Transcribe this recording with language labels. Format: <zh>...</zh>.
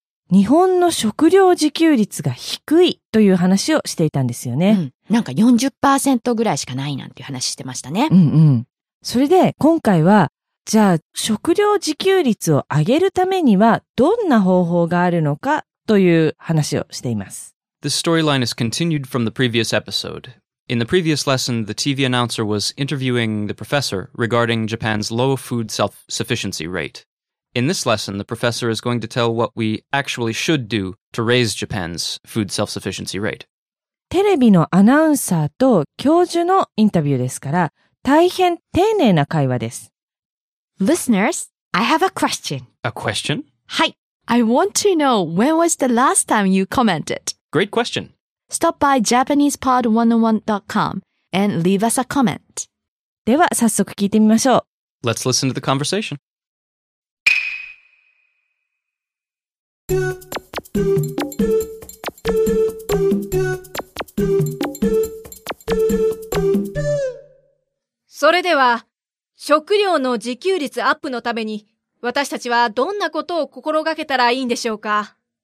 <ja>日本の食料自給率が低いという話をしていたんですよね。うん、なんか 40% ぐらいしかないなんていう話してましたね。うんうん。それで今回は、じゃあ食料自給率を上げるためにはどんな方法があるのかという話をしています。</ja> <en>This storyline is continued from the previous episode. In the previous lesson, the TV announcer was interviewing the professor regarding Japan's low food self-sufficiency rate. In this lesson, the professor is going to tell what we actually should do to raise Japan's food self-sufficiency rate.</en> <ja>テレビのアナウンサーと教授のインタビューですから、大変丁寧な会話です。</ja> <en>Listeners, I have a question. A question?</en> <ja>はい。</ja> <en>I want to know when was the last time you commented? Great question. Stop by JapanesePod101.com and leave us a comment.</en> <ja>では早速聞いてみましょう。</ja> <en>Let's listen to the conversation.</en> <ja>それでは、食料の自給率アップのために私たちはどんなことを心がけたらいいんでしょうか？</ja>